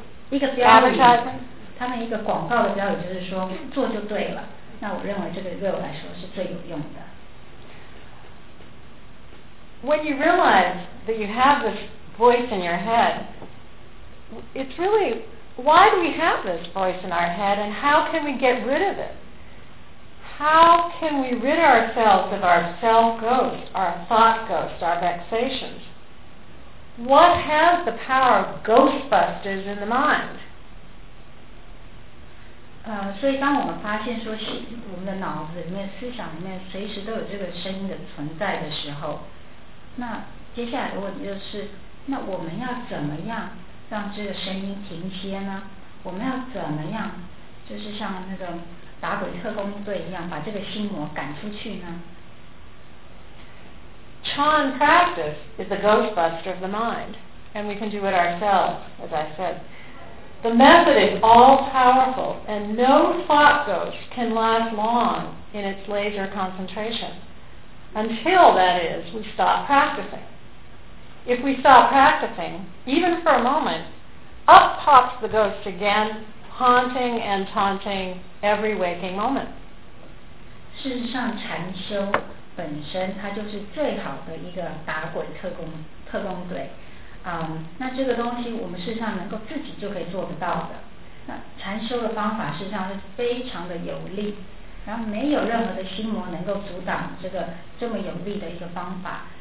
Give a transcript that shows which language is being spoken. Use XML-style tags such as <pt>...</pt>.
<zh>一个标语，他们一个广告的标语就是说做就对了。那我认为这个对我来说是最有用的。</zh> <en>When you realize that you have this voice in your head, it's really, why do we have this voice in our head and how can we get rid of it? How can we rid ourselves of our self-ghost, our thought-ghost, our vexations? What has the power of ghostbusters in the mind?</en> <zh>所以当我们发现说我们的脑子里面、思想里面随时都有这个声音的存在的时候，那接下来的问题就是，那我们要怎么样让这个声音停歇呢？我们要怎么样，就是像那个打鬼特工队一样，把这个心魔赶出去呢？</zh> <en>Chan practice is the ghostbuster of the mind, and we can do it ourselves, as I said. The method is all powerful, and no thought ghost can last long in its laser concentration. Until, that is, we stop practicing. If we stop practicing, even for a moment, up pops the ghost again, haunting and taunting every waking moment.</en> <zh>事实上禅修本身它就是最好的一个打鬼特工队。那这个东西我们事实上能够自己就可以做得到的。那禅修的方法事实上是非常的有力，然后没有任何的心魔能够阻挡这么有力的一个方法。</zh>